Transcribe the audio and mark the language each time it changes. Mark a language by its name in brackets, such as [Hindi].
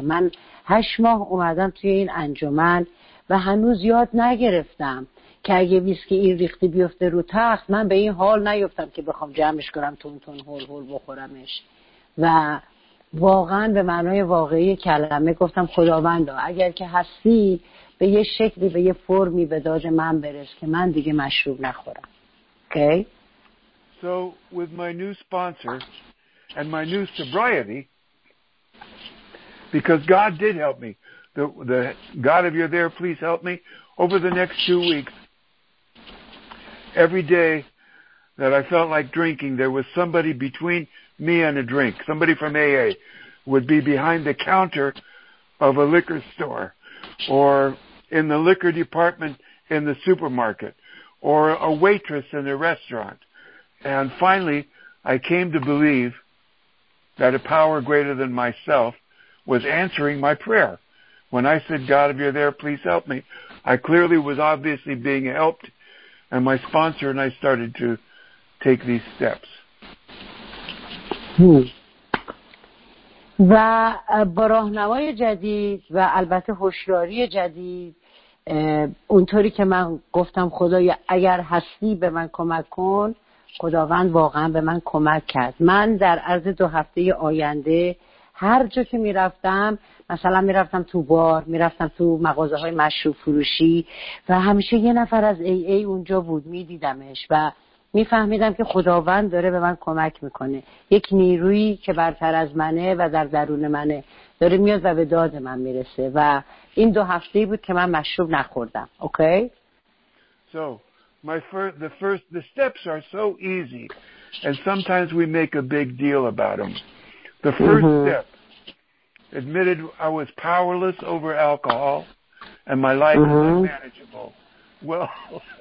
[Persian] من 8 ماه اومدم توی این انجمن و هنوز یاد نگرفتم که اگه ویسکی این ریختی بیفته رو تخت، من به این حال نیفتم که بخوام جمعش کنم تون تون هول هول بخورمش. و واقعا به معنای واقعی کلمه گفتم خداوندا اگر که هستی به یه شکلی به یه فرمی به داد من برس که من دیگه مشروب نخورم. اوکی؟ [English] So with my new sponsor and my new sobriety, because God did help me, the God of your there, please help me. Over the next 2 weeks, every day that I felt like drinking, there was somebody between me and a drink. Somebody from AA would be behind the counter of a liquor store, or in the liquor department in the supermarket, or a waitress in a restaurant. And finally, I came to believe that a power greater than myself was answering my prayer. When I said, God, if you're there, please help me, I clearly was obviously being helped, and my sponsor and I started to take these steps. [Persian] و با راهنمای جدید و البته هوشیاری جدید، اونطوری که من گفتم خدایا اگر هستی به من کمک کن، خداوند واقعا به من کمک کرد. من در عرض 2 هفته آینده هر جا که می رفتم، مثلا می رفتم تو بار، می رفتم تو مغازه های مشروب فروشی، و همیشه یه نفر از ای ای اونجا بود، می دیدمش و می فهمیدم که خداوند داره به من کمک می کنه. یک نیرویی که برتر از منه و در درون منه داره میاد و به داد من می رسه. و این 2 هفته بود که من مشروب نخوردم. اوکی؟ [English] So, the steps are so easy and sometimes we make a big deal about them. The first step, admitted I was powerless over alcohol and my life was unmanageable.